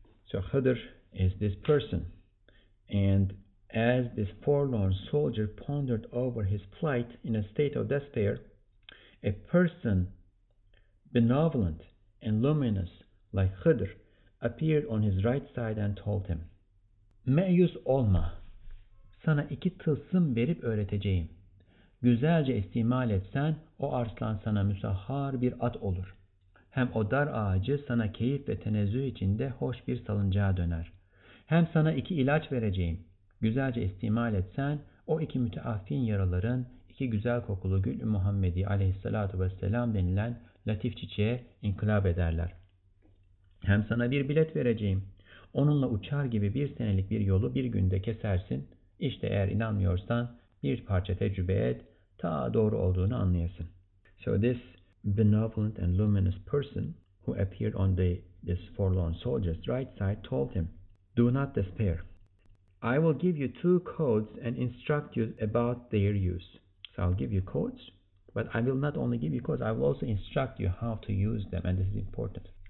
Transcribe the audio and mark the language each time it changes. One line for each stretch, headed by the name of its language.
English: So Khidr is this person, and as this forlorn soldier pondered over his plight in a state of despair, a person benevolent and luminous like Khidr appeared on his right side and told him,
Turkish: "Meyus olma. Sana iki tılsım verip öğreteceğim. Güzelce istimal etsen o arslan sana müsahhar bir at olur. Hem o dar ağacı sana keyif ve tenezzüh içinde hoş bir salıncağa döner. Hem sana iki ilaç vereceğim. güzelce istimal etsen, o iki müteaffin yaraların iki güzel kokulu Gül-ü Muhammedi aleyhissalatu vesselam denilen latif çiçeğe inkılap ederler. Hem sana bir bilet vereceğim. Onunla uçar gibi bir senelik bir yolu bir günde kesersin. İşte eğer inanmıyorsan bir parça tecrübe et, ta doğru olduğunu anlayasın.
English: So this benevolent and luminous person who appeared on this forlorn soldier's right side told him, "Do not despair. I will give you two codes and instruct you about their use." So I'll give you codes, but I will not only give you codes, I will also instruct you how to use them, and this is important.